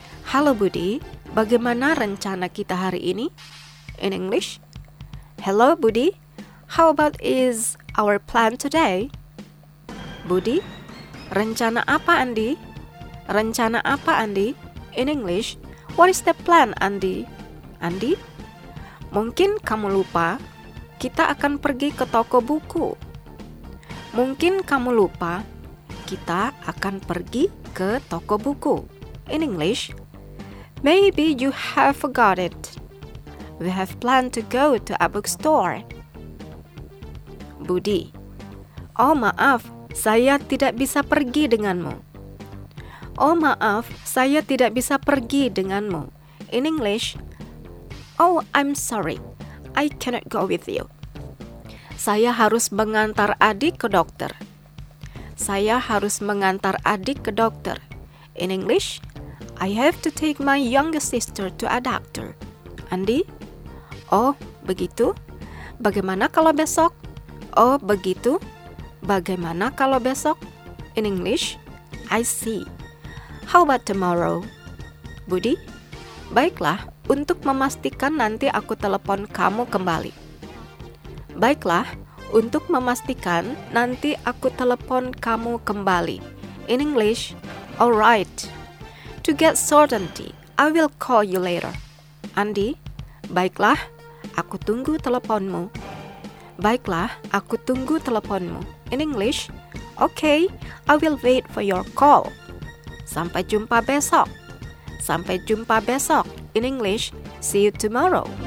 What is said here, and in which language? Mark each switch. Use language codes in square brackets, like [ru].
[id] Halo Budi, bagaimana rencana kita hari ini? [en] In English. Hello Budi, how about is our plan today? [id] Budi, rencana apa Andi? Rencana apa Andi? [en] In English, what is the plan Andi? [id] Andi, mungkin kamu lupa, kita akan pergi ke toko buku. Mungkin kamu lupa, kita akan pergi ke toko buku. [en] In English, maybe you have forgot it. We have planned to go to a bookstore. [id] Budi, oh maaf, saya tidak bisa pergi denganmu. Oh maaf, saya tidak bisa pergi denganmu. [en] In English, oh I'm sorry, I cannot go with you. [id] Saya harus mengantar adik ke dokter. Saya harus mengantar adik ke dokter. [en] In English, I have to take my younger sister to a doctor. [id] Andi, oh begitu, bagaimana kalau besok? Oh begitu, bagaimana kalau besok? [en] In English, I see. How about tomorrow? [id] Budi, baiklah, untuk memastikan nanti aku telepon kamu kembali. Baiklah, untuk memastikan nanti aku telepon kamu kembali. [en] In English, alright. To get certainty, I will call you later. [id] Andi, baiklah, aku tunggu teleponmu. Baiklah, aku tunggu teleponmu. [en] In English, okay, I will wait for your call. [id] Sampai jumpa besok. Sampai jumpa besok. [en] In English, see you tomorrow.